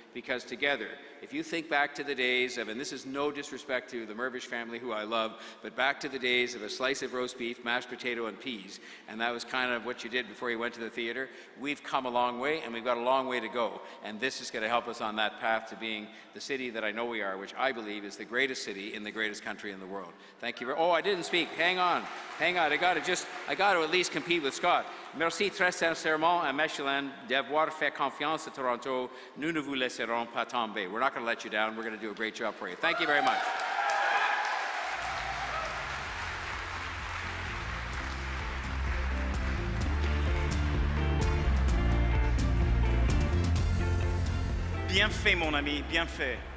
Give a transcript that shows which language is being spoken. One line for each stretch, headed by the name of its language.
English: because together, if you think back to the days of, and this is no disrespect to the Mervish family who I love, but back to the days of a slice of roast beef, mashed potato and peas, and that was kind of what you did before you went to the theater, we've come a long way and we've got a long way to go. And this is gonna help us on that path to being the city that I know we are, which I believe is the greatest city in the greatest country in the world. Thank you. Oh, I didn't speak, hang on. I gotta at least compete with Scott.
French: Merci très sincèrement à Michelin d'avoir fait confiance à Toronto. Nous ne vous laisserons pas tomber.
English: We're not going to let you down. We're going to do a great job for you. Thank you very much.
French: Bien fait, mon ami. Bien fait.